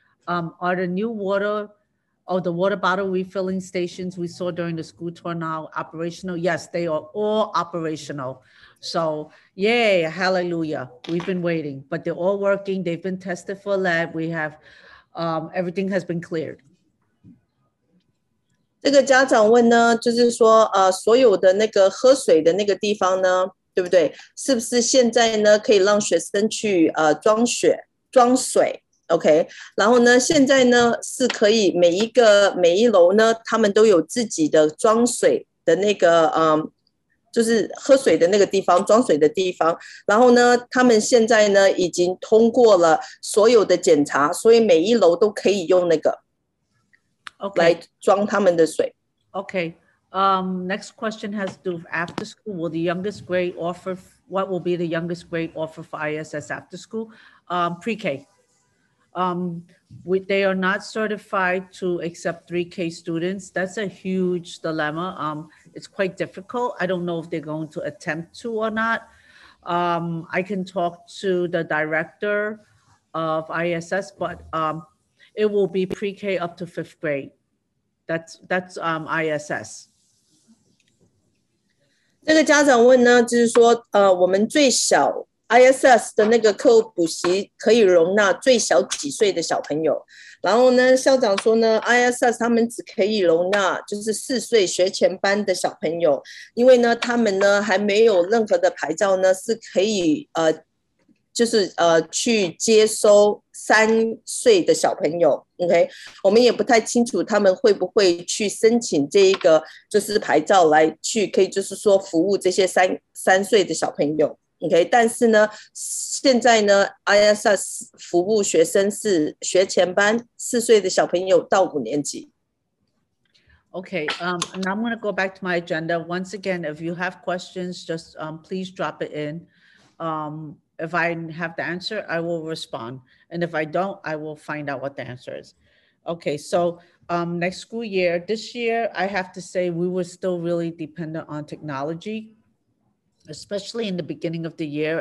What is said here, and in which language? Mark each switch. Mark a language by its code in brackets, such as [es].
[en] Are the new water or the water bottle refilling stations we saw during the school tour now operational? Yes, they are all operational. So yay, hallelujah. We've been waiting, but they're all working. They've been tested for lead. We have, everything has been cleared. [zh] 这个家长问呢，就是说，所有的那个喝水的那个地方呢，对不对？是不是现在呢，可以让学生去装水？ OK， 然后呢现在呢是可以每一楼呢他们都有自己的装水的那个就是喝水的那个地方，装水的地方，然后呢他们现在呢已经通过了所有的检查，所以每一楼都可以用那个来装他们的水。 [en] OK, next question has to do with after school. Will the youngest grade offer, what will be the youngest grade offer for ISS after school? Pre-K. They are not certified to accept 3K students. That's a huge dilemma. It's quite difficult. I don't know if they're going to attempt to or not. I can talk to the director of ISS, but it will be pre-K up to fifth grade. That's ISS. [zh] 这个家长问呢，就是说，我们最小ISS 的那个课后补习可以容纳最小几岁的小朋友，然后呢校长说呢 ISS 他们只可以容纳就是四岁学前班的小朋友，因为呢他们呢还没有任何的牌照呢是可以就是去接收三岁的小朋友 ，OK， 我们也不太清楚他们会不会去申请这一个就是牌照来去可以就是说服务这些三岁的小朋友 ，OK， 但是呢，现在呢 ，ISS 服务学生是学前班四岁的小朋友到五年级。 [en] Okay, now I'm going to go back to my agenda. Once again, if you have questions, just please drop it in. If I have the answer, I will respond. And if I don't, I will find out what the answer is. Okay, so next school year, this year, I have to say we were still really dependent on technology, especially in the beginning of the year.